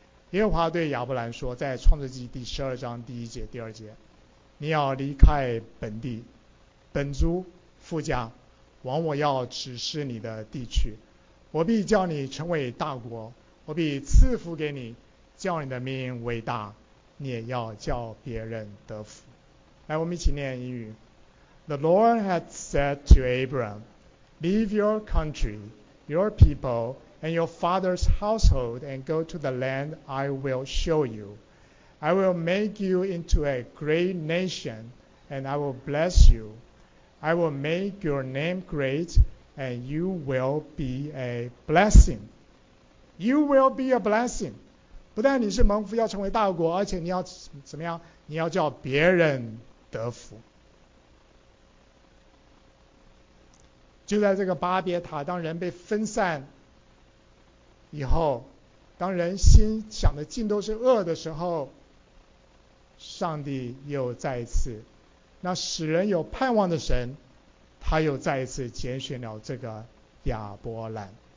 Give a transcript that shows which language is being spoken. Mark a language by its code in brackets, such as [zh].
[zh] 耶和华对亚伯兰说，在创世纪第十二章第一节、第二节，你要离开本地、本族、富家，往我要指示你的地区，我必叫你成为大国，我必赐福给你，叫你的名伟大，你也要叫别人得福。来，我们一起念英语。 [en] The Lord had said to Abram, Leave your country, your people, and your father's household, and go to the land I will show you. I will make you into a great nation, and I will bless you. I will make your name great, and you will be a blessing. You will be a blessing. [zh] 不但你是蒙福要成为大国，而且你要怎么样？你要叫别人得福。就在这个巴别塔，当人被分散以后，当人心想的尽都是恶的时候，上帝又再一次，那使人有盼望的神，他又再一次拣选了这个亚伯兰。